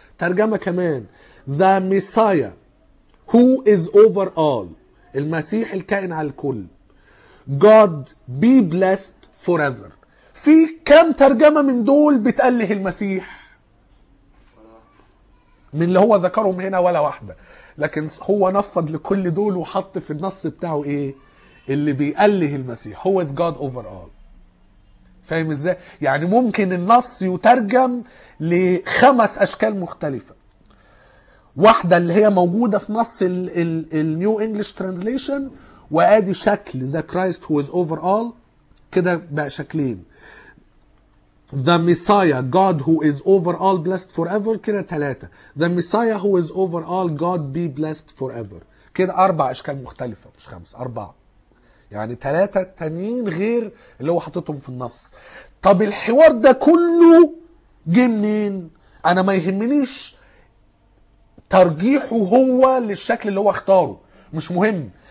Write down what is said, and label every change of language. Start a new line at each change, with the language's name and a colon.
Arabic: ترجمة كمان
English: The Messiah who is over all,
Arabic: المسيح الكائن على الكل,
English: God be blessed forever.
Arabic: في كم ترجمة من دول بتأله المسيح من اللي هو ذكرهم هنا؟ ولا واحدة. لكن هو نفض لكل دول وحط في النص بتاعه ايه اللي بيقله المسيح, هو
English: is God over all.
Arabic: فاهم ازاي؟ يعني ممكن النص يترجم لخمس اشكال مختلفة. واحدة اللي هي موجودة في نص النيو انجلش ترانزليشن, وادي شكل
English: The Christ who is over all,
Arabic: كده بقى شكلين
English: The Messiah, God who is over all blessed forever,
Arabic: كده ثلاثة
English: The Messiah who is over all, God be blessed forever,
Arabic: كده أربع أشكال مختلفة مش خمس, أربعة. يعني ثلاثة تانيين غير اللي هو حطتهم في النص. طب الحوار ده كله جي منين؟ أنا ما يهمنيش ترجيحه هو للشكل اللي هو اختاره, مش مهم.